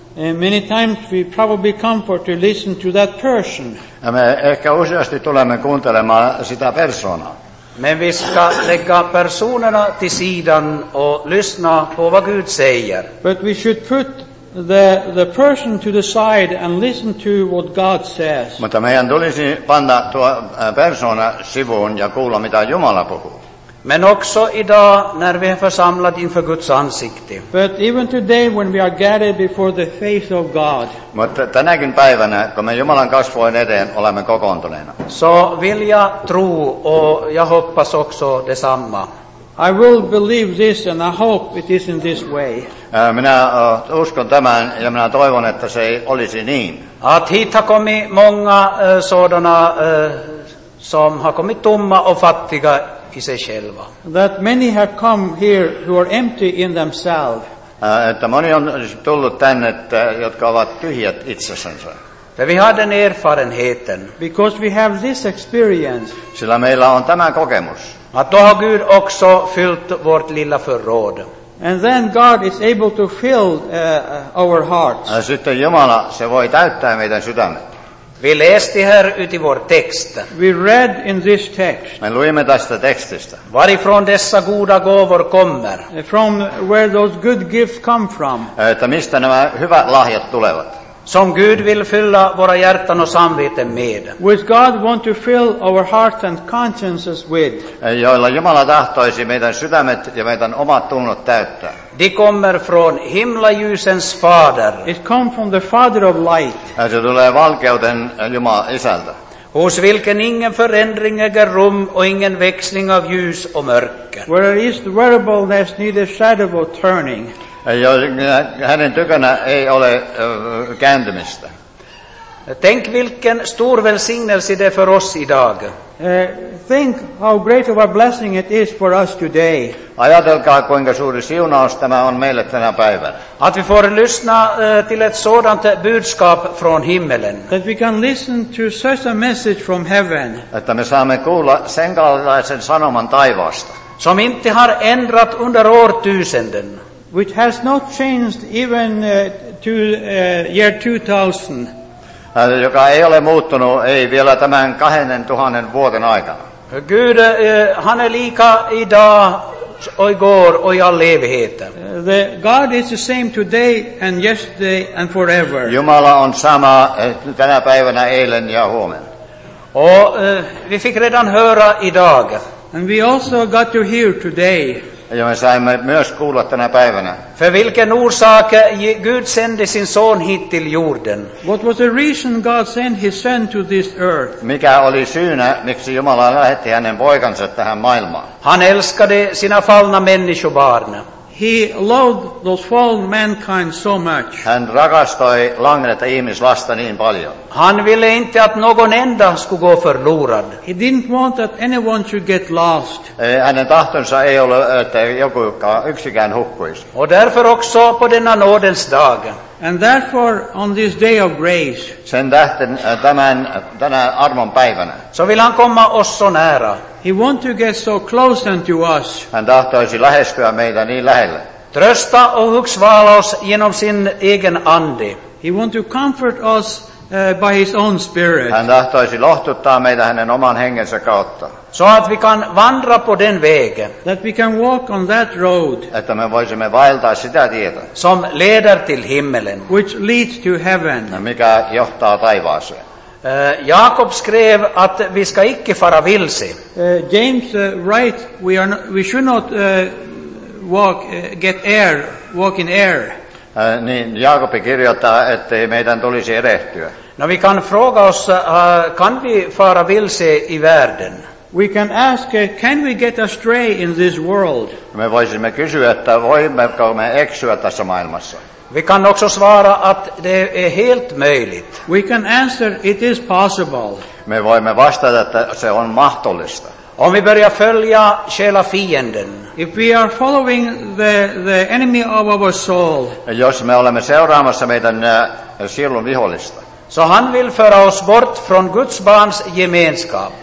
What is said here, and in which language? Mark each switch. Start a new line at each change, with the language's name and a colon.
English: And many times we probably come for to listen to that person.
Finnish: Ja me ehkä useasti tulemme kuuntelemaan sitä persoonaa.
Swedish: Men vi ska lägga personerna till sidan och lyssna på vad Gud säger.
English: But we should put the person to the side and listen to what God says.
Finnish: Mutta meidän tulisi panna tuo persoona sivuun ja kuulla mitä Jumala puhuu.
Swedish: Men också idag när vi är församlade inför Guds ansikte.
English: But even today when we are gathered before the face of God.
Finnish: Mutta tänäkin päivänä, kun me Jumalan kasvojen eteen olemme kokoontuneena.
Swedish: So vill jag tro och jag hoppas också detsamma.
English: I will believe this and I hope it is in this way.
Finnish: Minä uskon tämän ja minä toivon, että se olisi niin.
Swedish: Att hit har kommit många sådana som har kommit tomma och fattiga.
English: That many have come here who are empty in themselves.
Finnish: Että moni on tullut tänne, jotka ovat tyhjät itsessänsä.
Swedish: Vi har den erfarenheten.
English: Because we have this experience.
Finnish: Sillä meillä on tämä kokemus.
Swedish: Att då har Gud också fyllt vårt lilla förråd.
English: And then God is able to fill our hearts.
Finnish: Sitten Jumala, se voi täyttää meidän sydämet.
Swedish: Vi läste här ut i vår text.
English: We read in this text.
Finnish: Me luimme tästä tekstistä.
Swedish: Varifrån dessa goda gåvor kommer?
English: From where those good gifts come from.
Finnish: Että mistä nämä hyvät lahjat tulevat?
Swedish: Som Gud vill fylla våra hjärtan och samveten med.
English: Which God want to fill our hearts and consciences with.
Finnish: Joilla Jumala tahtoisi meidän sydämet ja meidän omat tunnot täyttää.
Swedish: De kommer från himlaljusens fader.
English: It come from the father of light.
Finnish: Se tulee valkeuden Jumala isältä.
Swedish: Hos vilken ingen förändring äger rum och ingen växling av ljus och mörker.
English: Where there is variableness, neither shadow or turning.
Finnish: Hänen tykönä ei ole kääntymistä.
Swedish: Tänk vilken stor välsignelse det är för oss idag.
English: Think how great of a blessing it is for us today.
Finnish: Ajatelkaa kuinka suuri siunaus tämä on meille tänä päivänä.
Swedish: Att vi får lyssna till ett sådant budskap från himmelen.
English: That we can listen to such a message from heaven.
Finnish: Että me saamme kuulla sen kaltaisen sanoman taivaasta.
Swedish: Som inte har ändrat under årtusenden.
English: Which has not changed even to year 2000.
Finnish: Joka ei ole muuttunut, ei vielä tämän 2000 vuoden aikana.
Swedish: Gud, han är lika idag, och igår, och i all evighet.
English: God is the same today and yesterday and forever.
Finnish: Jumala on sama tänä päivänä, eilen ja huomenna.
Swedish: Och vi fick redan höra idag.
English: And we also got to hear today.
Finnish: Ja me saimme myös kuulla tänä päivänä.
Swedish: För vilken orsak Gud sände sin son hit till jorden?
English: What was the reason God sent his son to this earth?
Finnish: Mikä oli syynä, miksi Jumala lähetti hänen poikansa tähän maailmaan?
Swedish: Han älskade sina fallna människobarn.
English: He loved those fallen mankind so much.
Finnish: Hän rakastoi langenneta ihmislasta niin paljon.
Swedish: Han ville inte att någon enda skulle gå förlorad.
English: He didn't want that anyone should get lost.
Finnish: Hänen tahtonsa ei ole, että joku yksikään hukkuisi.
Swedish: Och därför också på denna nådens dag.
English: And therefore on this day of grace.
Finnish: Sen tähten tänä armon päivänä.
Swedish: Så vill han komma oss så nära.
English: He want to get so close unto us.
Finnish: Hän tahtoisi lähestyä meitä niin lähellä.
Swedish: Trösta och uppsvala oss genom sin egen ande.
English: He want to comfort us by his own spirit.
Finnish: Hän tahtoisi lohduttaa meitä hänen oman hengensä kautta.
English: So that we can
Swedish: vandra på den vägen.
English: That we can walk on that road.
Finnish: Että me voisimme vaeltaa sitä tietä.
Swedish: Som leder till himmelen.
English: Which leads to heaven.
Finnish: Ja mikä johtaa taivaaseen.
Swedish: Jakob skrev att vi ska icke fara vilse.
English: James write we should not walk in air.
Finnish: Niin Jakobi kirjoittaa, että meidän tulisi erehtyä.
Swedish: No vi kan fråga oss kan vi fara vilse i världen?
English: We can ask can we get astray in this world?
Finnish: Me voisimme kysyä, että voimmeko me eksyä tässä maailmassa?
Swedish: Vi kan också svara att det är helt möjligt.
English: We can answer it is possible.
Finnish: Me voimme vastata, että se on mahdollista.
Swedish: Om vi börjar följa själva fienden.
English: If we are following the enemy of our soul.
Finnish: Jos me olemme seuraamassa meidän sielun vihollista.
Swedish: So han vill föra oss bort från Guds barns gemenskap.